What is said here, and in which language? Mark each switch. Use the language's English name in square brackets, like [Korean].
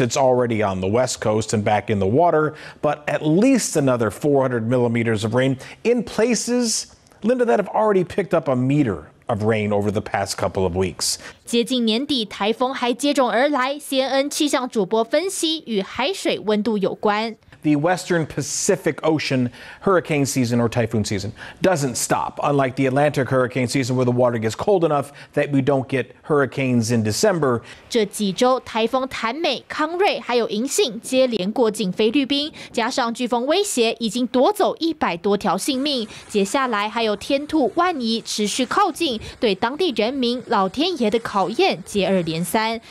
[English] It's already on the west coast and back in the water, but at least another 400 millimeters of rain in places, Linda, that have already picked up a meter. Of rain over the past couple of weeks. [Chinese] 接近年底，台风还接踵而来。CNN 气象主播分析与海水温度有关。 [English] the Western Pacific Ocean hurricane season or typhoon season doesn't stop, unlike the Atlantic hurricane season where the water gets cold enough that we don't get hurricanes in December. [Chinese] 这几周台风潭美、康瑞还有银杏接连过境菲律宾，加上飓风威胁，已经夺走100多条性命。接下来还有天兔、万怡持续靠近，对当地人民、老天爷的考验接二连三。